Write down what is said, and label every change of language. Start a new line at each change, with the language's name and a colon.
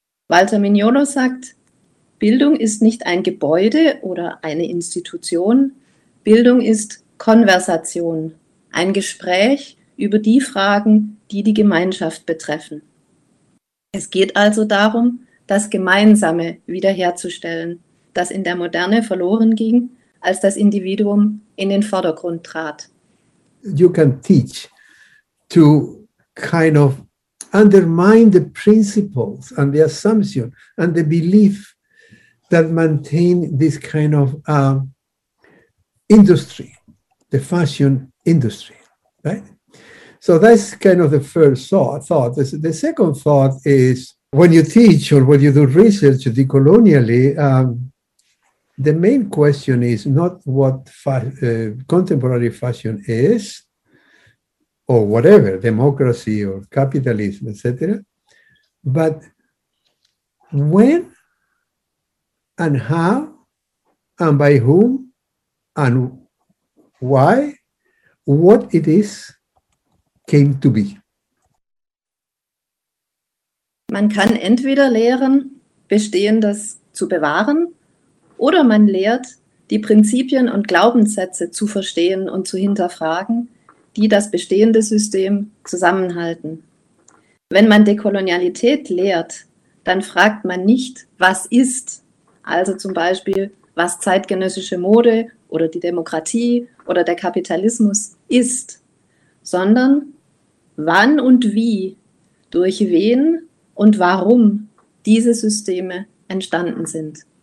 German: Walter Mignolo sagt, Bildung ist nicht ein Gebäude oder eine Institution, Bildung ist Konversation, ein Gespräch über die Fragen, die die Gemeinschaft betreffen. Es geht also darum, das Gemeinsame wiederherzustellen, das in der Moderne verloren ging, als das Individuum in den Vordergrund trat.
English: You can teach to kind of undermine the principles and the assumption and the belief that maintain this kind of industry, the fashion industry, right? So that's kind of the first thought. The second thought is when you teach or when you do research decolonially, the main question is not what contemporary fashion is, or whatever, democracy or capitalism, etc., but when and how and by whom and why what it is came to be.
German: Man kann entweder lehren, Bestehendes zu bewahren, oder man lehrt, die Prinzipien und Glaubenssätze zu verstehen und zu hinterfragen, die das bestehende System zusammenhalten. Wenn man Dekolonialität lehrt, dann fragt man nicht, was ist, also zum Beispiel, was zeitgenössische Mode oder die Demokratie oder der Kapitalismus ist, sondern wann und wie, durch wen und warum diese Systeme entstanden sind.